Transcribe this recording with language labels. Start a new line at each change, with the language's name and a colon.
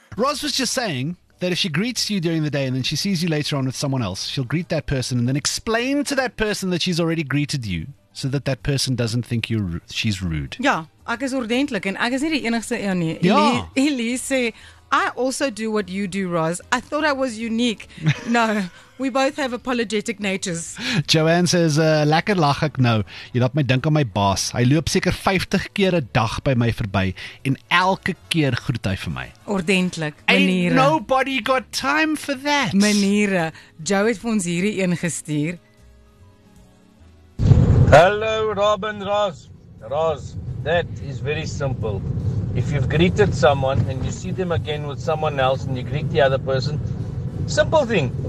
English: Roz was just saying that if she greets you during the day and then she sees you later on with someone else, she'll greet that person and then explain to that person that she's already greeted you so that that person doesn't think you're she's rude.
Afrikaans: Ja, ek is ordentlik en ek is nie die enigste een nie. Ja.
English: Elise
Afrikaans: sê,
English: I also do what you do, Roz. I thought I was unique. No, we both have apologetic natures. Joanne says,
Afrikaans: lekker lach ek nou. Jy laat my dink aan my baas. Hy loop seker 50 keer 'n dag by my verby en elke keer groet hy vir my. Ordentlik. Maniere.
English: Ain't nobody got time for that.
Afrikaans: Maniere. Joe het vir ons hierdie een gestuur.
English: Hello, Robin, Roz. Roz, that is very simple. If you've greeted someone and you see them again with someone else and you greet the other person, simple thing.